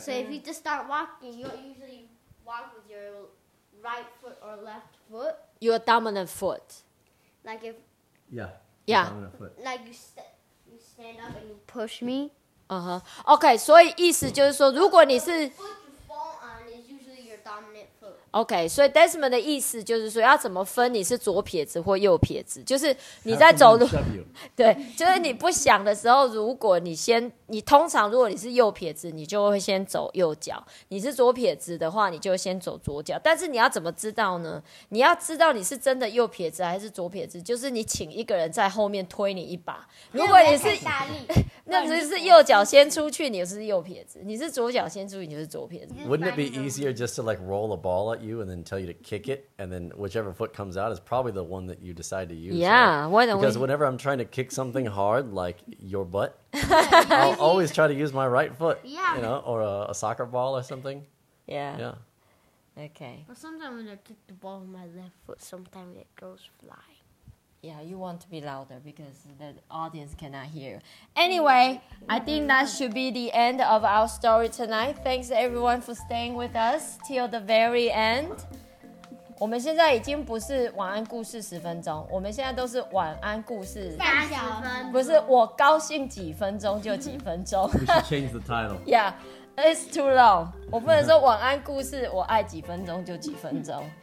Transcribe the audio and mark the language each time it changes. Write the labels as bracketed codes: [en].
[en] So if you just start walking, you usually walk with your right foot or left foot. Your dominant foot. Like if. Yeah. Yeah. Dominant foot. Like you stand up and you push me. [zh] Okay. So 意思就是说，如果你是 [en] foot you fall on is usually your dominant foot. [zh] OK， 所以 Desmond 的意思就是说要怎么分你是左撇子或右撇子，就是你在走路对，就是你不想的时候，如果你先，你通常如果你是右撇子你就会先走右脚，你是左撇子的话你就先走左脚。但是你要怎么知道呢？你要知道你是真的右撇子还是左撇子，就是你请一个人在后面推你一把。如果你是那只是右脚先出去你是右撇子，你是左脚先出去你是左撇子。 [en] Wouldn't it be easier just to like roll a ball at you and then tell you to kick it, and then whichever foot comes out is probably the one that you decide to use? Yeah, right? Why don't Because we... whenever I'm trying to kick something hard, like your butt, I'll always try to use my right foot, yeah. You know, or a soccer ball or something. Yeah. Yeah. Okay. Well, sometimes when I kick the ball with my left foot, sometimes it goes flying. Yeah, you want to be louder because the audience cannot hear. Anyway, I think that should be the end of our story tonight. Thanks everyone for staying with us till the very end. [zh] 我们现在已经不是晚安故事十分钟，我们现在都是晚安故事三十分钟。不是，我高兴几分钟就几分钟。 [en] We should change the title. Yeah, it's too long. [zh] 我不能说晚安故事，我爱几分钟就几分钟。